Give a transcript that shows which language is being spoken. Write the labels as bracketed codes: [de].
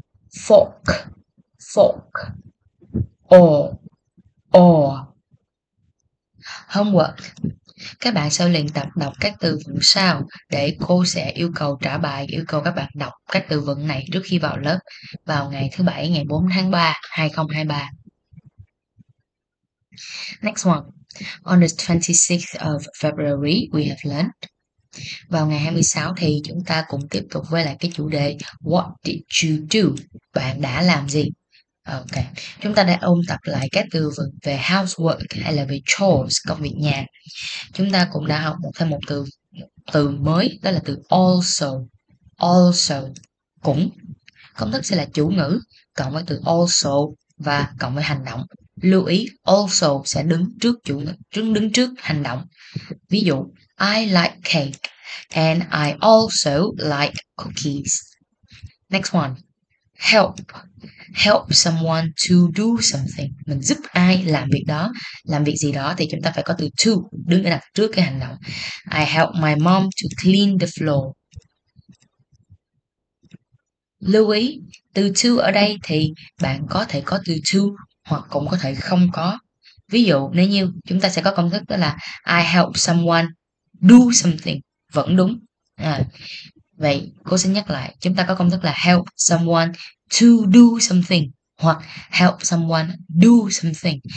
[en] Fork, fork. O, O. Homework. [vi] Các bạn sẽ luyện tập đọc các từ vựng sau để cô sẽ yêu cầu trả bài, yêu cầu các bạn đọc các từ vựng này trước khi vào lớp vào ngày thứ Bảy, ngày 4 tháng 3, 2023. [en] Next one. On the 26th of February, we have learned. [vi] Vào ngày 26 thì chúng ta cũng tiếp tục với lại cái chủ đề [en] What did you do? [vi] Bạn đã làm gì? Ok. Chúng ta đã ôn tập lại các từ vựng về housework hay là về chores, công việc nhà. Chúng ta cũng đã học thêm một từ mới, đó là từ also. Also, cũng. Công thức sẽ là chủ ngữ cộng với từ also và cộng với hành động. Lưu ý, also sẽ đứng trước chủ ngữ, đứng trước hành động. Ví dụ, [en] I like cake and I also like cookies. Next one. Help. Help someone to do something. [vi] Mình giúp ai làm việc đó. Làm việc gì đó thì chúng ta phải có từ to đứng ở đằng trước cái hành động. [en] I help my mom to clean the floor. [vi] Lưu ý, từ to ở đây thì bạn có thể có từ to hoặc cũng có thể không có. Ví dụ, nếu như chúng ta sẽ có công thức đó là [en] I help someone do something. [vi] Vẫn đúng. Vậy, cô sẽ nhắc lại. Chúng ta có công thức là [en] help someone to do something [vi] hoặc [en] help someone do something.